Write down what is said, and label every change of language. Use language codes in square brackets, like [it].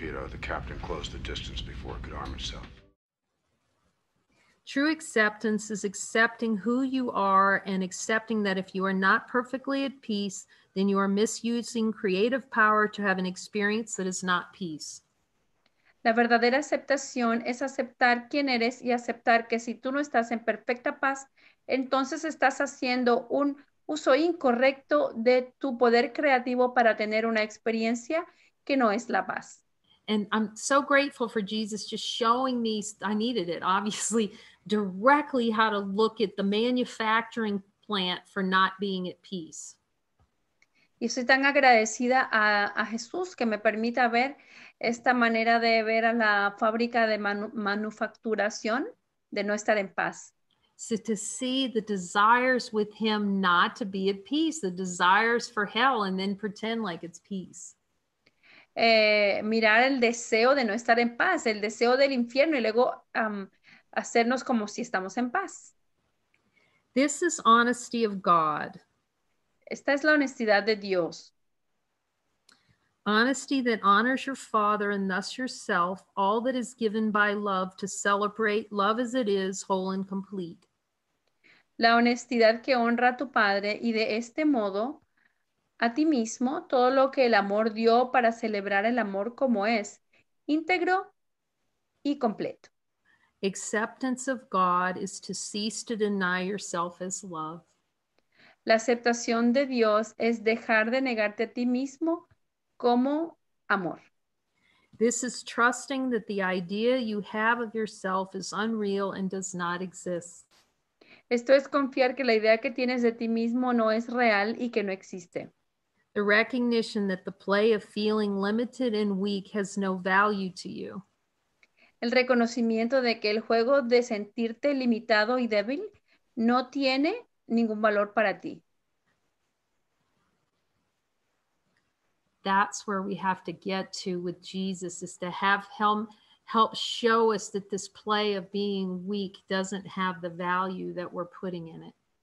[en] The captain closed the distance before it could arm itself. True acceptance is accepting who you are and accepting that if you are not perfectly at peace, then you are misusing creative power to have an experience that is not peace. [es] La verdadera aceptación es aceptar quién eres y aceptar que si tú no estás en perfecta paz, entonces estás haciendo un uso incorrecto de tu poder creativo para tener una experiencia que no es la paz. [en] And I'm so grateful for Jesus just showing me, I needed it, obviously, directly how to look at the manufacturing plant for not being at peace. [es] Y soy tan agradecida a Jesús que me permita ver esta manera de ver a la fábrica de manufacturación de no estar en paz. [en] So to see the desires with him not to be at peace, the desires for hell, and then pretend like it's peace. [es] Mirar el deseo de no estar en paz, el deseo del infierno, y luego hacernos como si estamos en paz. [en] This is honesty of God. [es] Esta es la honestidad de Dios. [en] Honesty that honors your father and thus yourself, all that is given by love to celebrate love as it is, whole and complete. [es] La honestidad que honra a tu padre y de este modo a ti mismo, todo lo que el amor dio para celebrar el amor como es, íntegro y completo. [en] Acceptance of God is to cease to deny yourself as love. [es] La aceptación de Dios es dejar de negarte a ti mismo como amor. [en] This is trusting that the idea you have of yourself is unreal and does not exist. [es] Esto es confiar que la idea que tienes de ti mismo no es real y que no existe. [en] The recognition that the play of feeling limited and weak has no value to you. [es] El reconocimiento de que el juego de sentirte limitado y débil no tiene ningún valor para ti. [en] That's where we have to get to with Jesus, is to have him help show us that this play of being weak doesn't have the value that we're putting in it.